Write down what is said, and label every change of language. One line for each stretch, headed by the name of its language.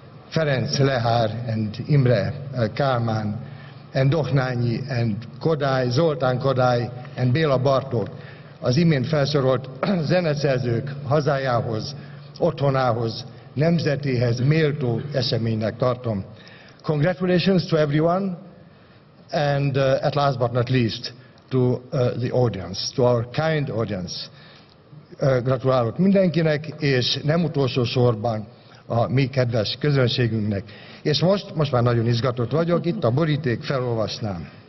Hungarian: Ferenc Lehár and Imre Kálmán and Dohnányi and Kodály, Zoltán Kodály and Béla Bartók, az imént felsorolt zeneszerzők hazájához, otthonához, nemzetéhez méltó eseménynek tartom.
English: Congratulations to everyone, and at last but not least, to the audience, to our kind audience.
Hungarian: Gratulálok mindenkinek, és nem utolsó sorban a mi kedves közönségünknek. És most már nagyon izgatott vagyok, itt a boríték, felolvasnám.